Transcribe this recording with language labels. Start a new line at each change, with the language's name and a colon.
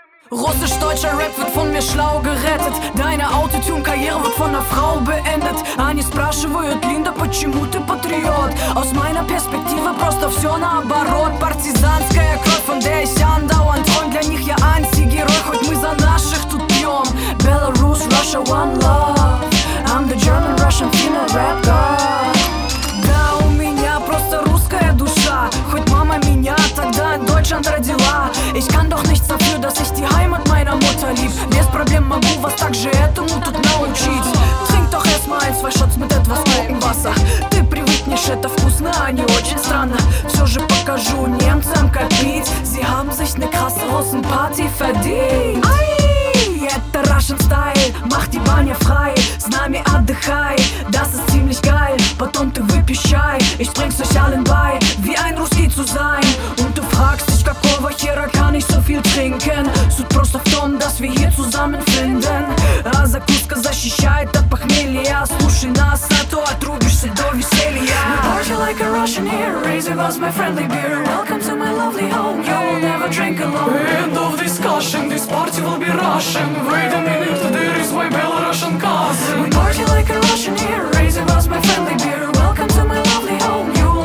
German: Russisch-deutscher Rap wird von mir schlau gerettet. Deine Autotune-Karriere wird von einer Frau beendet.
Russian: Они спрашивают, Линда, почему ты патриот?
German: Aus meiner Perspektive
Russian: просто все наоборот. Партизанская кровь,
German: von der ich andauernd träum.
Russian: Для них я антигерой, хоть мы за наших тут пьем.
English: Belarus, Russia, one love. I'm the German, Russian, female rap god.
Russian: Да, у меня просто русская душа. Хоть мама меня тогда
German: in Deutschland
Russian: родила.
German: Ich kann doch nichts dafür, dass ich die Heimat meiner Mutter lieb.
Russian: Без проблем могу вас также этому тут научить.
German: Trink doch erstmal ein, zwei Shots mit etwas Trockenwasser.
Russian: Ты привыкнешь, это вкусно, а не очень странно. Все же покажу немцам, как пить.
German: Sie haben sich ne krasse Russenparty verdient.
Russian: Ай, это
English: Russian Style,
German: mach die Bahne frei.
Russian: С нами отдыхай,
German: das ist ziemlich geil.
Russian: Потом ты выпьешь чай,
German: ich bring's euch allen bei. Wie ein Russi zu sein, und du fragst dich,
Russian: как Хера
German: kann ich so viel trinken.
Russian: Суть просто в том,
German: dass wir hier zusammen finden.
Russian: А закуска защищает от похмелья. Слушай нас, а то отрубишься до веселья.
English: We party like a Russian here. Raise your glass, my friendly beer. Welcome to my lovely home. You will never drink alone. End of discussion, this party will be Russian. Wait a minute, there is my Belarusian cousin. We party like a Russian here. Raise your glass, my friendly beer. Welcome to my lovely home.